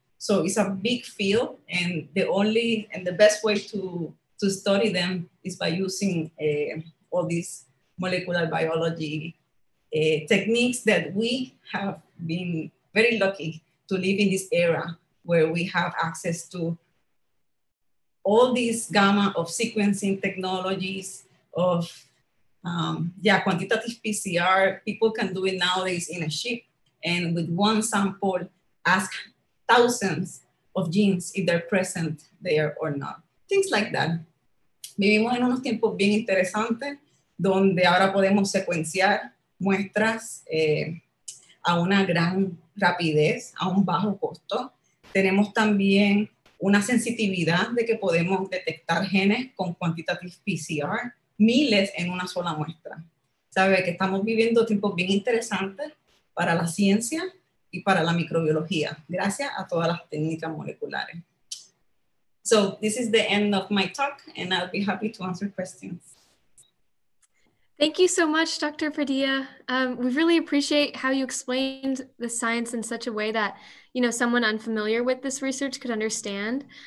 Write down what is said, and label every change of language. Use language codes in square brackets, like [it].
[en] So it's a big field, and the only and the best way to study them is by using all these molecular biology techniques that we have been very lucky to live in this era where we have access to all these gamma of sequencing technologies of quantitative PCR. People can do it nowadays in a chip and with one sample ask thousands of genes if they're present there or not. Things like that. [es] Vivimos en unos tiempos bien interesantes donde ahora podemos secuenciar muestras a una gran rapidez, a un bajo costo. Tenemos también una sensitividad de que podemos detectar genes con quantitative PCR, miles en una sola muestra. Sabe que estamos viviendo tiempos bien interesantes para la ciencia y para la microbiología, gracias a todas las técnicas moleculares. [en] So this is the end of my talk and I'll be happy to answer questions. Thank you so much, Dr. Padilla. We really appreciate how you explained the science in such a way that, you know, someone unfamiliar with this research could understand.